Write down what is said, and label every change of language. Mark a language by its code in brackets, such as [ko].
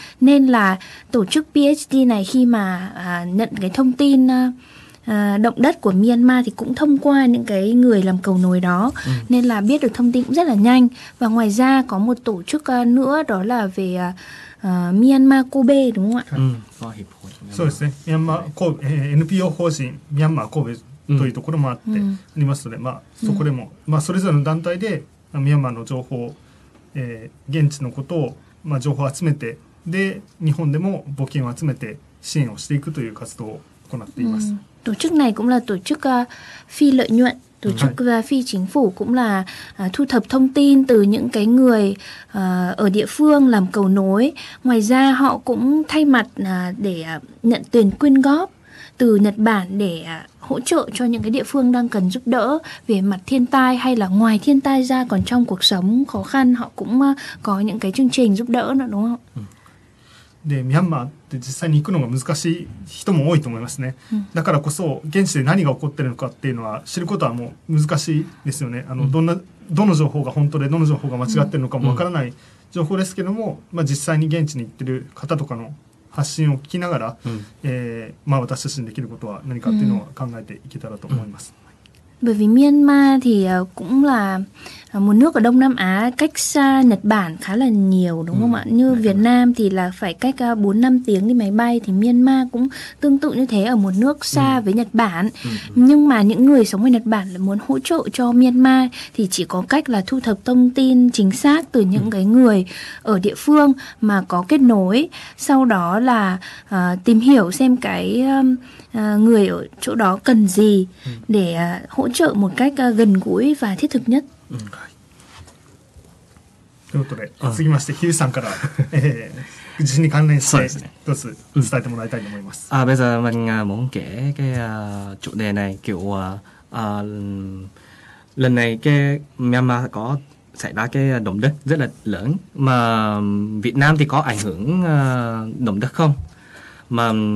[vi] Nên là tổ chức PhD này khi mà nhận cái thông tin động đất của Myanmar thì cũng thông qua những cái người làm cầu nối đó. Nên là biết được thông tin cũng rất là nhanh. Và ngoài ra có một tổ chức nữa đó là về Myanmar Kobe, đúng không ạ? [ja] NPO 法人 Myanmar Kobe. というところもあってありますので、そこでも、それぞれの団体でミャンマーの情報、現地のことを、情報を集めて、で日本でも募金を集めて支援をしていくという活動を行っています。組織内 [vi] cũng là tổ chức phi lợi nhuận、tổ chức phi chính phủ cũng là thu thập thông tin từ những cái người ở địa phương làm cầu nối. Ngoài ra họ cũng thay mặt để nhận tiền quyên góp từ Nhật Bản để hỗ trợ cho những cái địa phương đang cần giúp đỡ về mặt thiên tai, hay là ngoài thiên tai ra còn trong cuộc sống khó khăn họ cũng có những cái chương trình giúp đỡ nữa, đúng không? [ja] で、ミャンマーって実際に行くのが難しい人も多いと思いますね。だからこそ現地で何が起こってるのかっていうのは知ることはもう難しいですよね。どの情報が本当でどの情報が間違ってるのかもわからない情報ですけども、実際に現地に行ってる方とかの発信を聞きながら、私たちにできることは何かっていうのを考えていけたらと思います。 [vi] Bởi vì Myanmar thì cũng là một nước ở Đông Nam Á cách xa Nhật Bản khá là nhiều, đúng không ạ? Như Việt Nam thì là phải cách 4-5 tiếng đi máy bay, thì Myanmar cũng tương tự như thế, ở một nước xa với Nhật Bản. Nhưng mà những người sống ở Nhật Bản là muốn hỗ trợ cho Myanmar thì chỉ có cách là thu thập thông tin chính xác từ những cái người ở địa phương mà có kết nối, sau đó là tìm hiểu xem cái người ở chỗ đó cần gì để hỗ trợ một cách gần gũi và thiết thực nhất. [ja] ということで、次ましてヒューさんから地震に関連して一つ伝えてもらいたいと思います。あ、皆さん、マニアモンケーケア、ちょでない今日は、 [vi] lần này cái Myanmar có xảy ra cái động đất rất là lớn, mà Việt Nam thì có ảnh hưởng động đất không? Mà